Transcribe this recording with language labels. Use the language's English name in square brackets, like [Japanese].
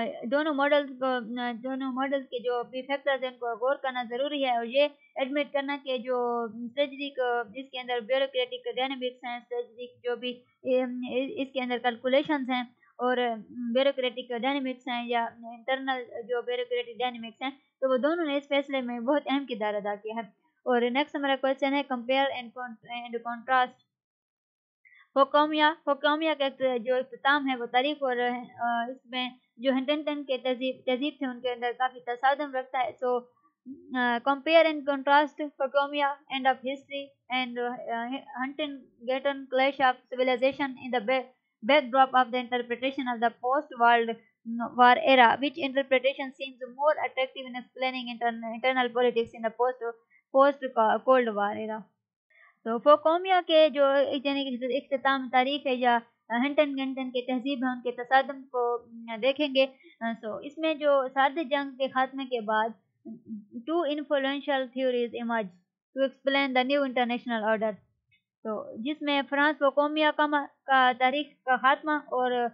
[Urdu] دونوں ماڈل کے جو بھی فیکٹرز ہیں ان کو غور کرنا ضروری ہے اور یہ ایڈمٹ کرنا کہ جو اسٹریٹجک جس کے اندر بیوروکریٹک ڈائنمکس ہیں, اسٹریٹجک جو بھی اس کے اندر کیلکولیشنز ہیں اور بیوروکریٹک ڈائنمکس ہیں یا انٹرنل جو بیوروکریٹک ڈائنمکس ہیں تو وہ دونوں نے اس فیصلے میں بہت اہم کردار ادا کیا ہے. اور نیکسٹ ہمارا کوشچن ہے [English] compare and contrast [Urdu] حکامیہ کا جو اختتام ہے وہ تاریخ اور اس میں جو ہنٹنگٹن کے تہذیب تھے ان کے اندر کافی تصادم رکھتا ہے. [English] So compare and contrast Fukuyama end of history and Huntington clash of civilization in the backdrop of the interpretation of the post world war era which interpretation seems more attractive in explaining internal politics in the post cold war era. [Urdu] تو فوکومیہ کے جو یعنی اختتام تاریخ ہے یا Huntington کے تہذیب ہے ان کے تصادم کو دیکھیں گے. سو اس میں جو سرد جنگ کے خاتمے کے بعد [English] two influential theories emerge to explain the new international order, [Urdu] تو جس میں فرانس فوکومیہ کا تاریخ کا خاتمہ اور